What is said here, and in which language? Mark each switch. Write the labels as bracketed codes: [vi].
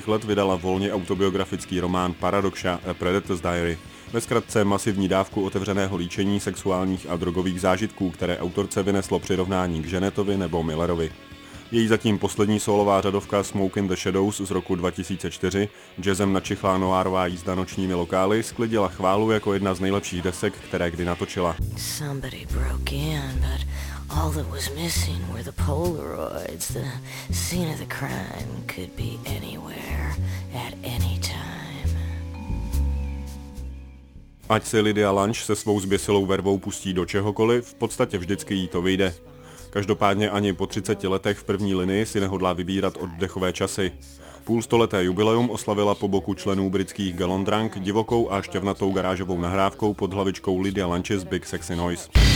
[cs] let vydala volně autobiografický román Paradoxa – A Predator's Diary, ve zkratce masivní dávku otevřeného líčení sexuálních a drogových zážitků, které autorce vyneslo přirovnání k Jeanetovi nebo Millerovi. Její zatím poslední solová řadovka Smoke in the Shadows z roku 2004, jazzem načichlá noárová jízda nočními lokály, sklidila chválu jako jedna z nejlepších desek, které kdy natočila. [en] Somebody broke in, but all that was missing were the Polaroids. The scene of the crime could be anywhere, at any time. [cs] Ať si Lydia Lunch se svou zběsilou vervou pustí do čehokoliv, v podstatě vždycky jí to vyjde. Každopádně ani po 30 letech v první linii si nehodlá vybírat oddechové časy. Půlstoleté jubileum oslavila po boku členů britských Galondrunk divokou a šťavnatou garážovou nahrávkou pod hlavičkou Lydia Lunch's Big Sexy Noise.